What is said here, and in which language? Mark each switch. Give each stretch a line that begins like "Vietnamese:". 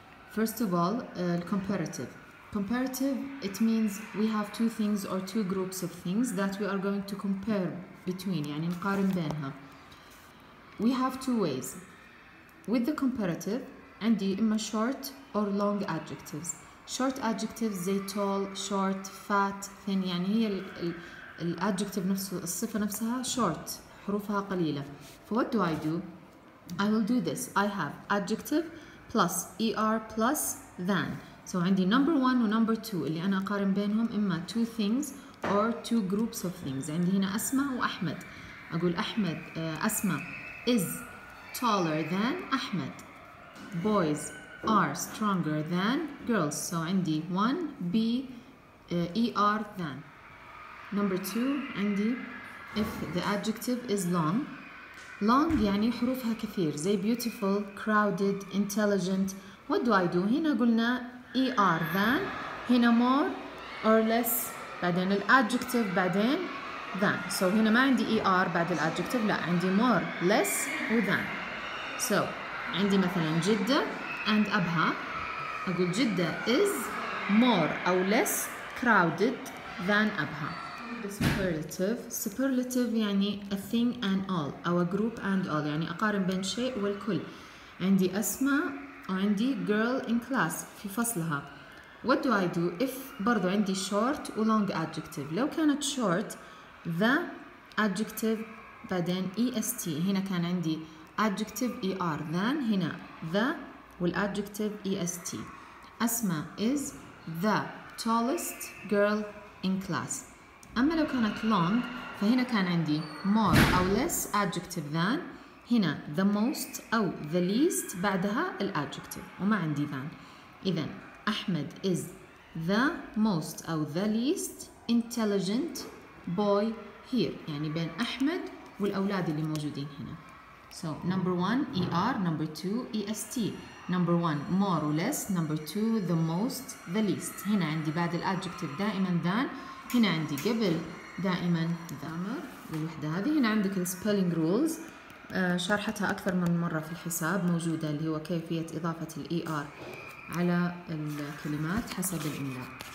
English: First of all, comparative. Comparative, it means we have two things or two groups of things that we are going to compare between.
Arabic: يعني نقارن بينها.
English: We have two ways. With the comparative,
Arabic: عندي إما
English: short or long adjectives. Short adjectives زي tall, short, fat, thin.
Arabic: يعني هي ال adjective نفسه الصفة نفسها short حروفها قليلة.
English: For what do I do? I will do this. I have adjective plus er plus than. So عندي number one و number two
Arabic: اللي أنا أقارن بينهم إما
English: two things or two groups of things.
Arabic: عندي هنا أسماء وأحمد.
English: أقول أحمد أسماء is taller than أحمد. Boys are stronger than girls. So عندي one, B, ER, than. Number two, عندي if the adjective is long.
Arabic: Long يعني حروفها كثير.
English: زي beautiful, crowded, intelligent. What do I do?
Arabic: هنا قلنا
English: ER, than. هنا more or less.
Arabic: بعدين الadjective بعدين than. So هنا ما عندي ER بعد الadjective. لا عندي more, less و than. So عندي مثلا جدة and أبها.
English: أقول جدة is more or less crowded than أبها. Superlative. Superlative يعني a thing and all أو a group and all.
Arabic: يعني أقارن بين شيء والكل. عندي أسماء وعندي
English: girl in class
Arabic: في فصلها.
English: What do I do if
Arabic: برضو عندي
English: short و long adjective؟
Arabic: لو كانت
English: short the adjective بعدين est.
Arabic: هنا كان عندي adjective er than. هنا the والadjective est.
English: أسماء is the tallest girl in class.
Arabic: أما لو كانت long فهنا كان عندي more أو
English: less adjective than.
Arabic: هنا
English: the most
Arabic: أو
English: the least
Arabic: بعدها الadjective وما عندي than.
English: إذن أحمد is the most أو the least intelligent boy here.
Arabic: يعني بين أحمد والأولاد اللي موجودين هنا.
English: So number one ER, number two EST. Number one more or less, number two the most, the least.
Arabic: هنا عندي بعد الadjective دائما than. هنا عندي قبل دائما grammar للوحدة هذه. هنا عندك
English: spelling rules
Arabic: شرحتها أكثر من مرة في الحساب موجودة اللي هو كيفية إضافة الـ ER على الكلمات حسب الإملاء.